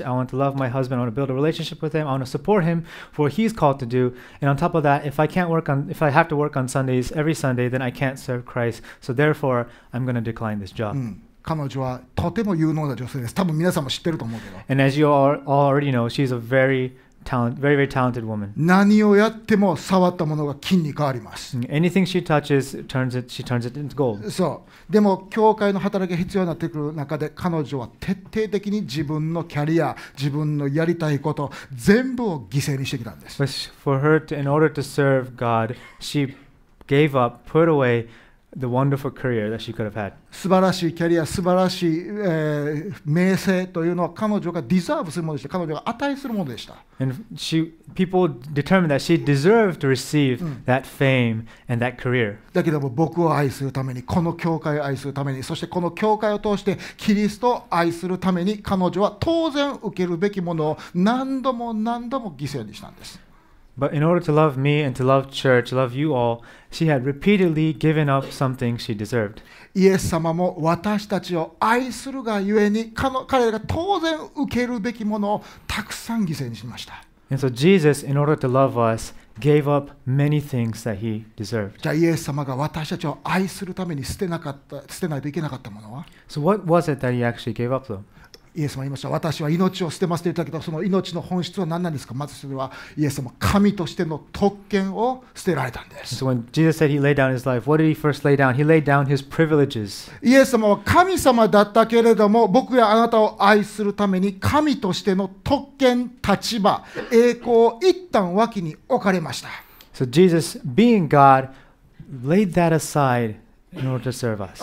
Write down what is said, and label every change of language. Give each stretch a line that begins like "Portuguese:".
English: I want to love my husband. I want to build a relationship with him. I want to support him for what he's called to do. And on top of that, if I have to work on Sundays, every Sunday, then I can't serve Christ. So therefore, I'm going to decline this job.
Japanese: 彼女はとても有能な女性です。多分皆さんも知ってると思うけど。
English: And as you all already know, she's a very, very talented woman.
Japanese: 何をやっても触ったものが金に変わります。
English: Anything she touches, she turns it into gold.
Japanese: そう。でも教会の働きが必要になってくる中で、彼女は徹底的に自分のキャリア、自分のやりたいこと、全部を犠牲にしてきたんです。
English: But for her to, in order to serve God, she gave up, put away the wonderful career that she could have had.
Japanese: 素晴らしいキャリア、素晴らしい、名声というのは彼女がdeserveするものでした。彼女が値するものでした。
English: And she, people determined that she deserved to receive that fame and that career.
Japanese: だけども僕を愛するために、この教会を愛するために、そしてこの教会を通してキリストを愛するために、彼女は当然受けるべきものを何度も何度も犠牲にしたんです。
English: But in order to love me and to love church, love you all, she had repeatedly given up something she deserved.
Japanese: イエス様も私たちを愛するがゆえに、彼らが当然受けるべきものをたくさん犠牲にしました。
English: And so Jesus, in order to love us, gave up many things that he deserved.
Japanese: じゃあイエス様が私たちを愛するために捨てないといけなかったものは?
English: So what was it that he actually gave up though?
Japanese: イエス様言いました。私は命を捨てますと言ったけど、その命の本質は何なんですか。まずそれはイエス様、神としての特権を捨てられたんです。
English: So when Jesus said he laid down his life, what did he first lay down? He laid down his privileges.
Japanese: イエス様は神様だったけれども、僕やあなたを愛するために神としての特権、立場、栄光を一旦脇に置かれました。
English: So Jesus being God laid that aside in order to serve us.